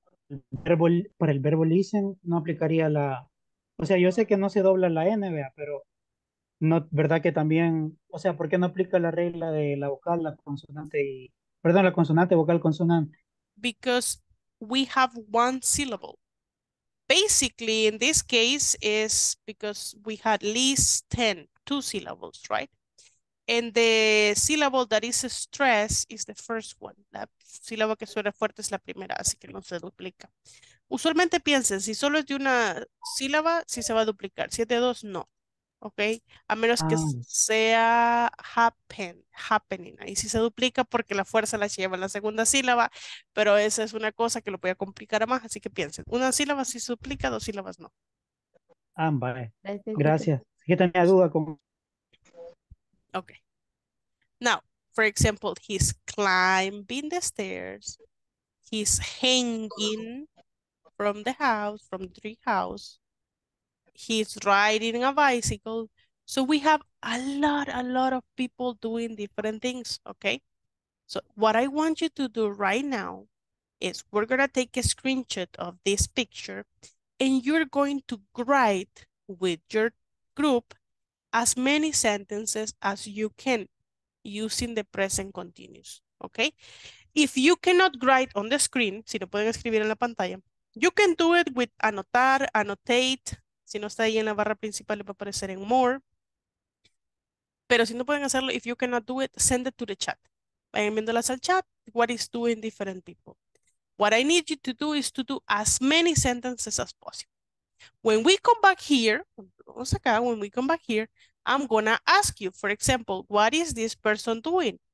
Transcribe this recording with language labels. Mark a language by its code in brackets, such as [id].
[es] El verbo, para el verbo listen no aplicaría la. O sea, yo sé que no se dobla la N, vea, pero No, ¿verdad que también, o sea, por qué no aplica la regla de la vocal, la consonante y, perdón, la consonante, vocal, consonante? [en] Because we have one syllable. Basically, in this case, is because we had at least 10, two syllables, right? And the syllable that is stressed is the first one. [es] La sílaba que suena fuerte es la primera, así que no se duplica. Usualmente piensen, si solo es de una sílaba, sí se va a duplicar. Si es de dos, no. Okay, a menos que sea happening, ahí sí se duplica porque la fuerza la lleva en la segunda sílaba, pero esa es una cosa que lo voy a complicar más, así que piensen, una sílaba sí se duplica, dos sílabas no. Ah, vale, gracias. Sí que tenía duda con... [en] Okay, now, for example, he's climbing the stairs, he's hanging from the house, from the tree house. He's riding a bicycle. So we have a lot of people doing different things, okay? So what I want you to do right now is we're gonna take a screenshot of this picture and you're going to write with your group as many sentences as you can using the present continuous, okay? If you cannot write on the screen, [es] si no pueden escribir en la pantalla, [en] you can do it with anotar, annotate. [es] Si no está ahí en la barra principal, le va a aparecer en More. Pero si no pueden hacerlo, [en] if you cannot do it, send it to the chat. [es] Vayan viéndolas al chat, [en] what is doing different people. What I need you to do is to do as many sentences as possible. When we come back here, [es] vamos acá, [en] when we come back here, I'm gonna ask you, for example, what is this person doing?